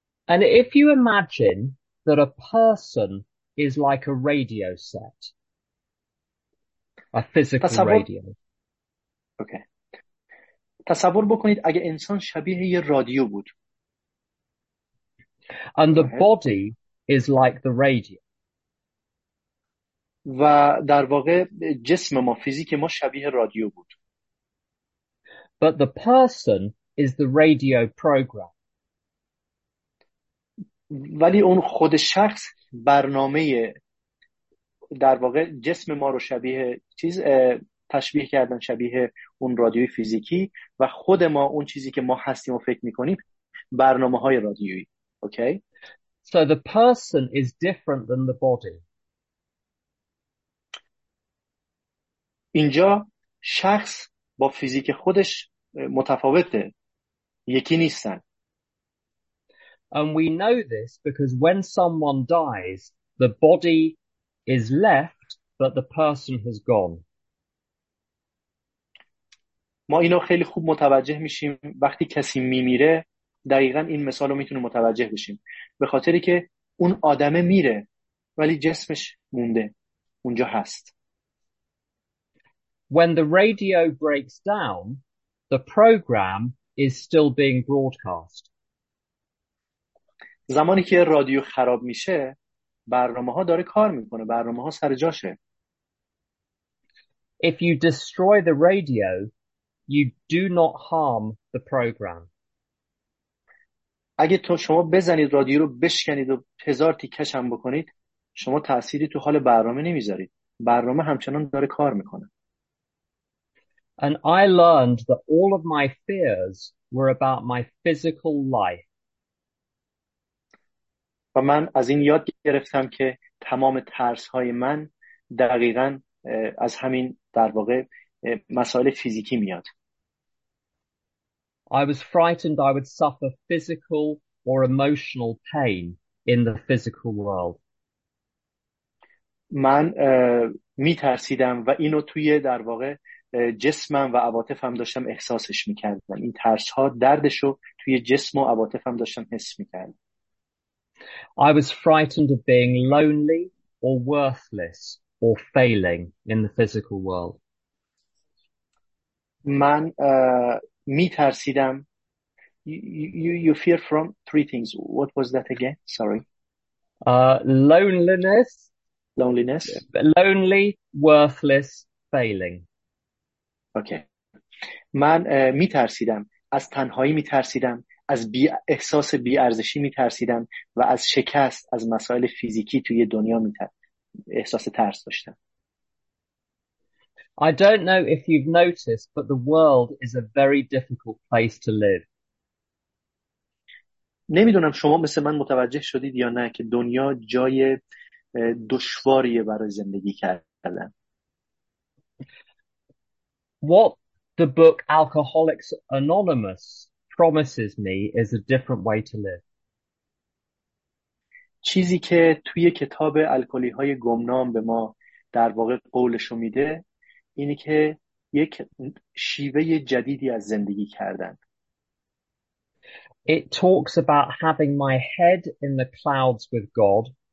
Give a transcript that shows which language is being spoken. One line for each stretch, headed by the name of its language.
English: And if you imagine that a person is like a radio set, a physical radio. Okay.
Persian: تصور بکنید اگه انسان شبیه یه رادیو بود.
English: And the body is like the radio.
Persian: و در واقع جسم ما، فیزیک ما شبیه رادیو بود.
English: But the person is the radio program.
Persian: ولی اون خود شخص برنامه، در واقع جسم ما رو شبیه چیز تشبیه کردن، شبیه اون رادیوی فیزیکی، و خود ما اون چیزی که ما هستیم و فکر میکنیم برنامه های رادیویی. اوکی؟
English: So the person is different than the body.
Persian: اینجا شخص با فیزیک خودش متفاوته، یکی نیستن.
English: And we know this because when someone dies, the body is left, but the person has gone.
Persian: ما اینو خیلی خوب متوجه میشیم وقتی کسی میمیره. دقیقا این مثال رو میتونیم متوجه بشیم، به خاطری که اون آدمه میره ولی جسمش مونده اونجا هست.
English: When the radio breaks down, the program is still being broadcast.
Persian: زمانی که رادیو خراب میشه، برنامه ها داره کار میکنه، برنامه ها سر جاشه.
English: If you destroy the radio, you do not harm the program.
Persian: اگه تو شما بزنید رادیو رو بشکنید و هزار تیکش هم بکنید، شما تأثیری تو حال برنامه نمیذارید. برنامه همچنان داره کار میکنه.
English: And I learned that all of my fears were about my physical life.
Persian: و من از این یاد گرفتم که تمام ترس های من دقیقا از همین، در واقع مسائل فیزیکی میاد.
English: I was frightened I would suffer physical or emotional pain in the physical world.
Persian: من می ترسیدم و اینو توی در واقع جسمم و عواطفم داشتم احساسش می کردم. این ترس ها دردشو توی جسم و عواطفم داشتم حس می کردم.
English: I was frightened of being lonely or worthless or failing in the physical world.
Persian: من می ترسیدم.
English: You fear from three things. What was that again? Sorry. Loneliness. Loneliness. Lonely, worthless, failing.
Persian: Okay. من می ترسیدم. از تنهایی می ترسیدم. از بی احساس بی ارزشی می ترسیدم و از شکست، از مسائل فیزیکی توی دنیا می ترسیدم. احساس ترس داشتم.
English: I don't know if you've noticed, but the world is a very difficult place to live.
Persian: نمیدونم شما مثل من متوجه شدید یا نه که دنیا جای دشواریه برای زندگی کردن.
English: What the book Alcoholics Anonymous promises me is a different way to live.
Persian: چیزی که توی کتاب الکلی های گمنام به ما در واقع قولشو میده اینه که یک شیوه جدیدی از زندگی کردن.
English: It talks about having my head in the clouds with God.